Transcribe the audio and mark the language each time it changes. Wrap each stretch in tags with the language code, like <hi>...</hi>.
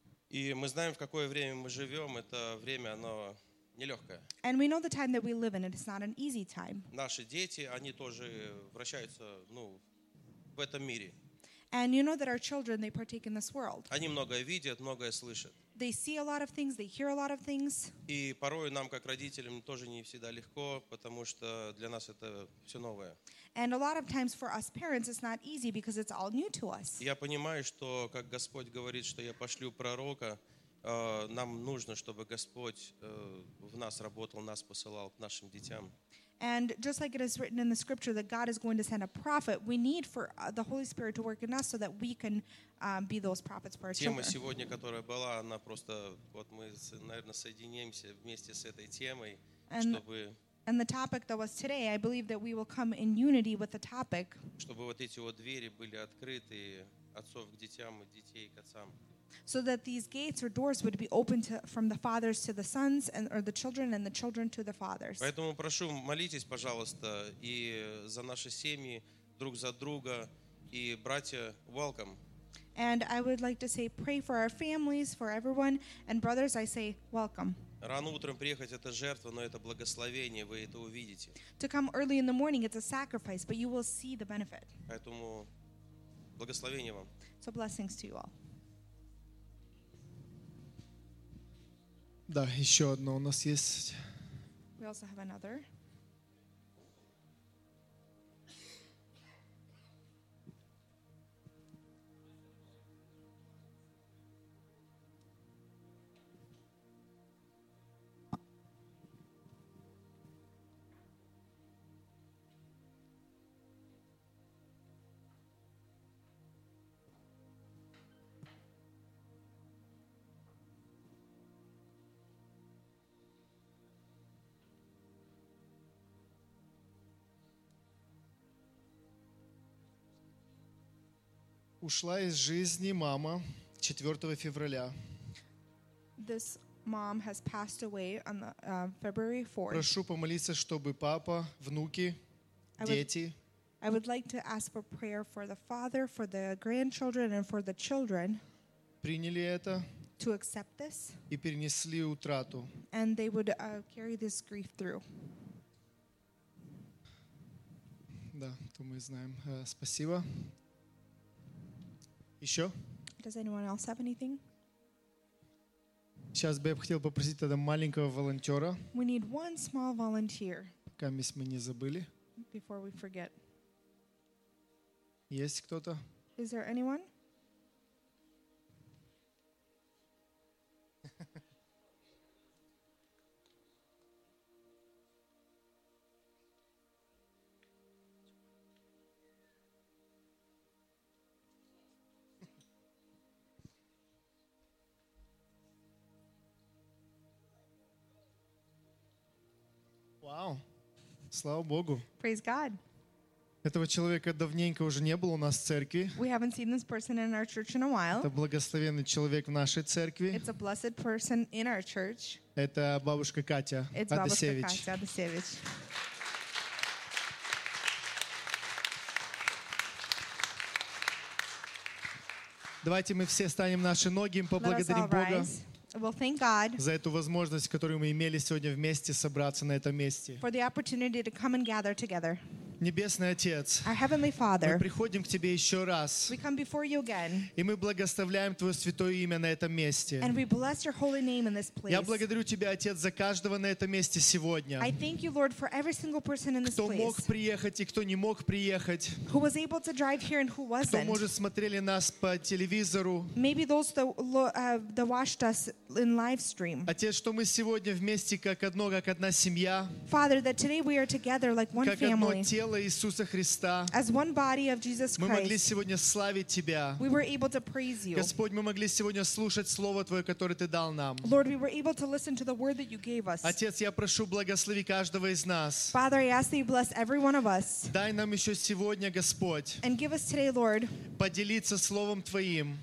<ru>И мы знаем, в какое время мы живем, это время, оно нелегкая.</ru> <en>And we know the time that we live in, and it's not an easy time.</en> <ru>Наши дети, они тоже вращаются, ну, в этом мире.</ru> <en>And you know that our children, they partake in this world.</en> <ru>Они многое видят, многое слышат.</ru> <en>They see a lot of things, they hear a lot of things.</en> <ru>И порой нам, как родителям, тоже не всегда легко, потому что для нас это все новое.</ru> <en>And a lot of times for us parents, it's not easy because it's all new to us.</en> <ru>Я понимаю, что, как Господь говорит, что я пошлю пророка, нам нужно, чтобы Господь в нас работал, нас посылал к нашим детям.</ru> <en>And just like it is written in the scripture that God is going to send a prophet, we need for the Holy Spirit to work in us so that we can be those prophets for our children.</en> <ru>Тема сегодня, которая была, она просто, вот мы, наверное, соединимся вместе с этой темой, чтобы...</ru> <en>And the topic that was today, I believe that we will come in unity with the topic.</en> <ru>Чтобы вот эти вот двери были открыты отцов к детям и детей к отцам.</ru> <en>So that these gates or doors would be open to, from the fathers to the sons and or the children and the children to the fathers.</en> <ru>Поэтому прошу, молитесь, пожалуйста, и за наши семьи, друг за друга, и братья, welcome.</ru> <en>And I would like to say, pray for our families, for everyone, and brothers, I say, welcome.</en> <ru>Рано утром приехать — это жертва, но это благословение, вы это увидите.</ru> <en>To come early in the morning, it's a sacrifice, but you will see the benefit.</en> <ru>Поэтому благословение вам.</ru> <en>So blessings to you all.</en> <ru>Да, еще одно у нас есть.</ru> <en>We also have another.</en> <ru>Ушла из жизни мама 4 февраля.</ru> <en>This mom has passed away on the, February 4th.</en> <ru>Прошу помолиться, чтобы папа, внуки, дети.</ru> <en>I would like to ask for prayer for the father, for the grandchildren, and for the children.</en> <ru>Приняли это.</ru> <en>To accept this.</en> <ru>И перенесли утрату.</ru> <en>And they would carry this grief through.</en> <ru>Да, то мы знаем. Спасибо. Еще?</ru> <en>Does anyone else have anything?</en> <ru>Сейчас бы я хотел попросить тогда маленького волонтера.</ru> <en>We need one small volunteer.</en> <ru>Пока мы не забыли.</ru> <en>Before we forget.</en> <ru>Есть кто-то?</ru> <en>Is there anyone?</en> <ru>Вау! Слава Богу!</ru> <en>Praise God!</en> <ru>Этого человека давненько уже не было у нас в церкви.</ru> <en>We haven't seen this person in our church in a while.</en> <ru>Это благословенный человек в нашей церкви.</ru> <en>It's a blessed person in our church.</en> <ru>Это бабушка Катя Адасевич.</ru> <en>It's бабушка Катя Адасевич.</en> <ru>Давайте мы все станем наши ноги и поблагодарим Бога.</ru> <en>Well, thank God</en> <ru>за эту возможность, которую мы имели сегодня вместе собраться на этом месте.</ru> <en>For the opportunity to come and gather together.</en> <ru>Небесный Отец,</ru> <en>our Heavenly Father,</en> <ru>мы приходим к Тебе еще раз.</ru> <en>We come before You again.</en> <ru>И мы благословляем Твое святое имя на этом месте.</ru> <en>And we bless Your holy name in this place.</en> <ru>Я благодарю Тебя, Отец, за каждого на этом месте сегодня.</ru> <en>I thank You, Lord, for every single person in this place.</en> <ru>Кто мог приехать и кто не мог приехать.</ru> <en>Who was able to drive here and who wasn't.</en> <ru>Кто, может, смотрели нас по телевизору.</ru> <en>Maybe those that watched us in live stream.</en> <ru>Отец, что мы сегодня вместе как одно, как одна семья.</ru> <en>Father, that today we are together like one family.</en> <ru>Иисуса Христа.</ru> <en>As one body of Jesus Christ,</en> <ru>мы могли сегодня славить Тебя.</ru> <en>We were able to praise You.</en> <ru>Господь, мы могли сегодня слушать Слово Твое, которое Ты дал нам.</ru> <en>Lord, we were able to listen to the word that You gave us.</en> <ru>Отец, я прошу, благослови каждого из нас.</ru> <en>Father, I ask that You bless every one of us.</en> <ru>Дай нам еще сегодня, Господь,</ru> <en>and give us today, Lord,</en> <ru>поделиться Словом Твоим,</ru>